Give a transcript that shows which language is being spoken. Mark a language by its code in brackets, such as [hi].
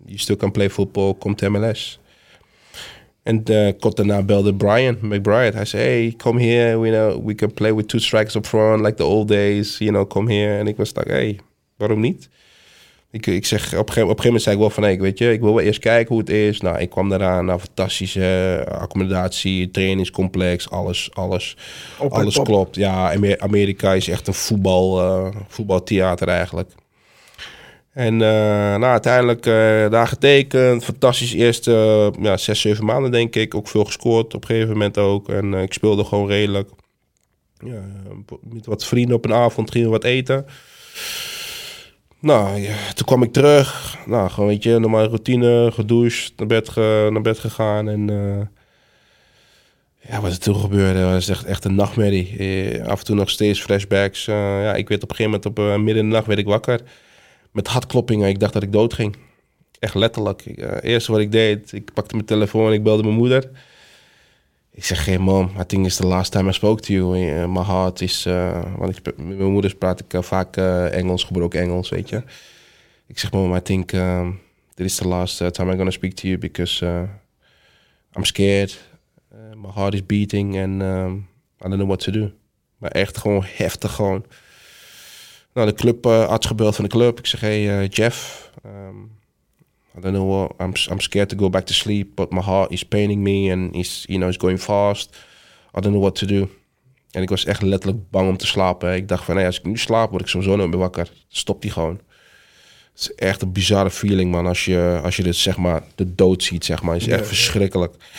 [en] You still can play football, come to MLS. [nl] En kort daarna belde Brian McBride. Hij zei, [en] hey, come here. We can play with two strikes up front, like the old days. You know, come here. [nl] En ik was [en] like, hey, [nl] waarom niet? Ik zeg, op een gegeven moment zei ik wel van, hey, weet je, ik wil wel eerst kijken hoe het is. Nou, ik kwam daaraan. Nou, fantastische accommodatie, trainingscomplex, alles. Op, alles op. Klopt. Ja, Amerika is echt een voetbaltheater eigenlijk. En uiteindelijk daar getekend. Fantastisch. Eerste 6-7 maanden, denk ik. Ook veel gescoord op een gegeven moment ook. En ik speelde gewoon redelijk. Ja, met wat vrienden op een avond gingen wat eten. Nou, ja, toen kwam ik terug. Nou, gewoon weet je, normale routine. Gedoucht, naar bed gegaan. En wat er toen gebeurde, was echt een nachtmerrie. Af en toe nog steeds flashbacks. Ik werd op een gegeven moment op midden in de nacht werd ik wakker. Met hartkloppingen, ik dacht dat ik doodging. Echt letterlijk. Eerst wat ik deed, ik pakte mijn telefoon en ik belde mijn moeder. Ik zeg, [en] hey mom, I think it's the last time I spoke to you. My heart is... [nl] Want met mijn moeder praat ik vaak Engels, gebroken Engels, weet je. Ik zeg, [en] mom, I think this is the last time I'm gonna speak to you because I'm scared. My heart is beating and I don't know what to do. [nl] Maar echt gewoon heftig gewoon. Nou, de club, arts gebeld van de club. Ik zeg, [en] hey Jeff, I don't know what, I'm scared to go back to sleep, but my heart is paining me and is, you know, it's going fast. I don't know what to do. [nl] En ik was echt letterlijk bang om te slapen. Ik dacht van, hey, als ik nu slaap, word ik sowieso nooit meer wakker. Stopt die gewoon. Het is echt een bizarre feeling, man, als je dit, zeg maar, de dood ziet, zeg maar. Het is echt verschrikkelijk.